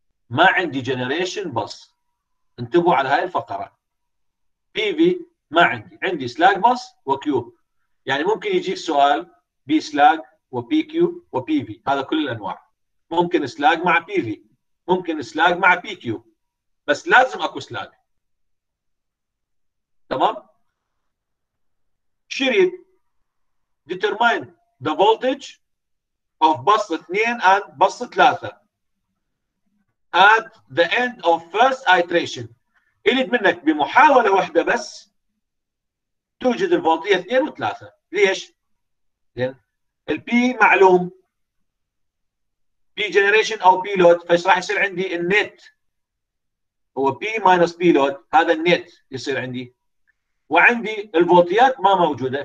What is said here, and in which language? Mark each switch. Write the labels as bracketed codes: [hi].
[ar] ما عندي جنريشن بس انتبهوا على هاي الفقرة PV ما عندي عندي سلاك بس وكيو يعني ممكن يجيك سؤال بي سلاك وبي كيو وبي في هذا كل الأنواع ممكن سلاك مع PV ممكن سلاك مع بي كيو بس لازم اكو سلاك تمام شريد [en] determine the voltage of bus 2 and bus 3 at the end of first iteration. [ar] يريد منك بمحاولة واحدة بس توجد الفولتية 2 و 3. ليش؟ لأن البي معلوم بي جنريشن أو بي لود. فايش راح يصير عندي؟ النت هو بي ماينس بي لود، هذا النت يصير عندي، وعندي الفولتيات ما موجودة.